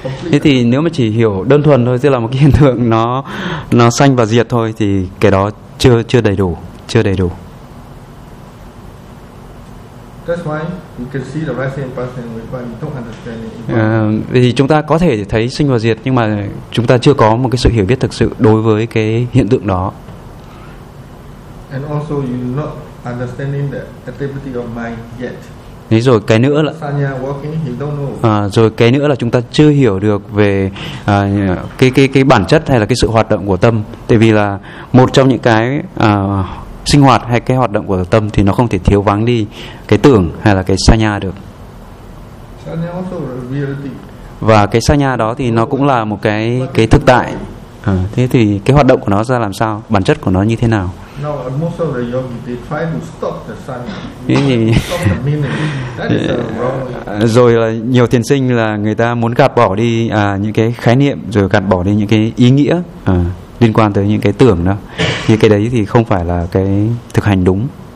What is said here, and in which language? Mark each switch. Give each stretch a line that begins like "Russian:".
Vietnamese: Thế thì nếu mà chỉ hiểu đơn thuần thôi, tức là một cái hiện tượng nó sanh và diệt thôi, thì cái đó chưa đầy đủ.
English: That's why you can see the rising and passing wind, but you don't understand it.
Vietnamese: Thì chúng ta có thể thấy sinh và diệt, nhưng mà chúng ta chưa có một cái sự hiểu biết thực sự đối với cái hiện tượng đó.
English: And also you're not understanding the activity of mind yet.
Vietnamese: Thế rồi cái nữa là
English: Sanya walking, you don't know.
Vietnamese: Rồi cái nữa là chúng ta chưa hiểu được về cái bản chất hay là cái sự hoạt động của tâm. Tại vì là một trong những cái sinh hoạt hay cái hoạt động của tâm thì nó không thể thiếu vắng đi cái tưởng hay là cái sanya được.
English: Sanya also reality.
Vietnamese: Và cái sanya đó thì nó cũng là một cái thực tại. Thế thì cái hoạt động của nó ra làm sao? Bản chất của nó như thế nào?
English: No, most of the yogi, they try to stop the sanya. Stop the meaning. That is wrong.
Vietnamese: Rồi là nhiều thiền sinh là người ta muốn gạt bỏ đi những cái khái niệm, rồi gạt bỏ đi những cái ý nghĩa liên quan tới những cái tưởng đó. Thì cái đấy thì không phải là cái thực hành đúng.